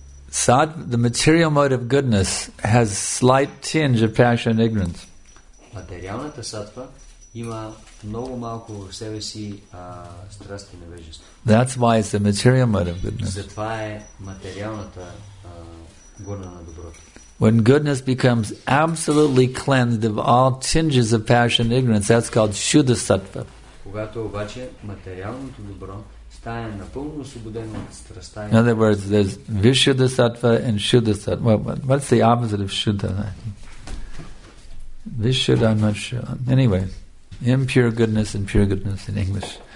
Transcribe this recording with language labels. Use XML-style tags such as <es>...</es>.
<en>Sattva, the material mode of goodness, has slight tinge of passion and ignorance.</en> <bg>Материалната сатва има много малко в себе си страсти и невежество.</bg> <en>That's why it's the material mode of goodness.</en> <bg>Затова е материалната гона на доброто.</bg> <en>When goodness becomes absolutely cleansed of all tinges of passion and ignorance, that's called Shuddha Sattva.</en> <bg>Когато обаче материалното добро стане напълно освободено от страстта.</bg> <en>In other words, there's Vishuddha Sattva and Shuddha Sattva. Well, what's the opposite of Shuddha? Vishuddha, I'm not sure. Anyway, impure goodness and pure goodness in English.</en>